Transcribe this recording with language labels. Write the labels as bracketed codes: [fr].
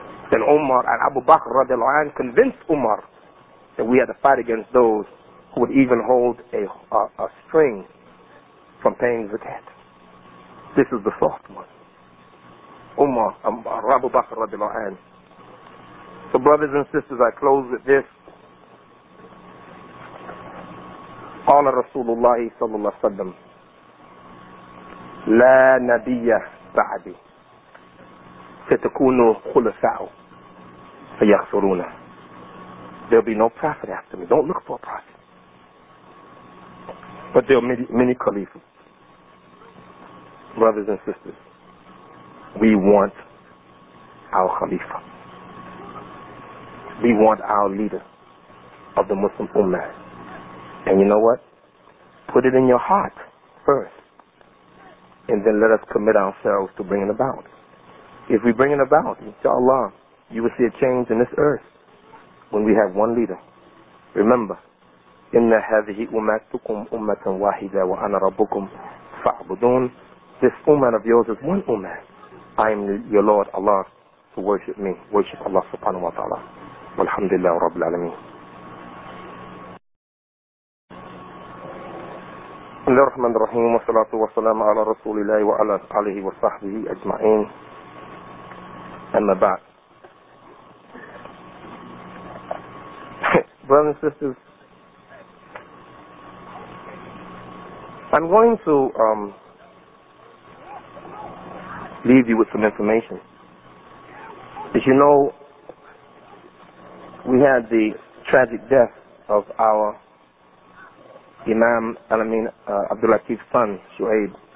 [en] Then Umar and Abu Bakr radiallahu anhu convinced Umar that we had to fight against those who would even hold a string from paying zakat. This is the soft one. Umar, Abu Bakr radiallahu anhu. So brothers and sisters, I close with this. [ar] قال رسول الله صلى الله عليه وسلم لا نبي بعدي ستكون خلفاء فيخسرون. [en] There'll be no prophet after me. Don't look for a prophet. But there are many caliphs. Brothers and sisters, we want our khalifa. We want our leader of the Muslim Ummah. And you know what? Put it in your heart first, and then let us commit ourselves to bringing about. If we bring it about, inshallah, you will see a change in this earth when we have one leader. Remember, [ar] إِنَّ هَذِهِ أُمَّتُكُمْ أُمَّةً وَاحِدًا وَأَنَا رَبُّكُمْ فَاعْبُدُونَ. [en] This ummah of yours is one ummah. I am your Lord, Allah, so worship me. Worship Allah subhanahu wa ta'ala. Walhamdulillah Rabbil Alameen. [ar] بسم الله الرحمن الرحيم والصلاة والسلام على رسول الله وعلى آله وصحبه أجمعين أما بعد. [en] Brothers and sisters, I'm going to leave you with some information. As you know, we had the tragic death of our Imam Al-Amin Abdul Latif's son, Shu'aib.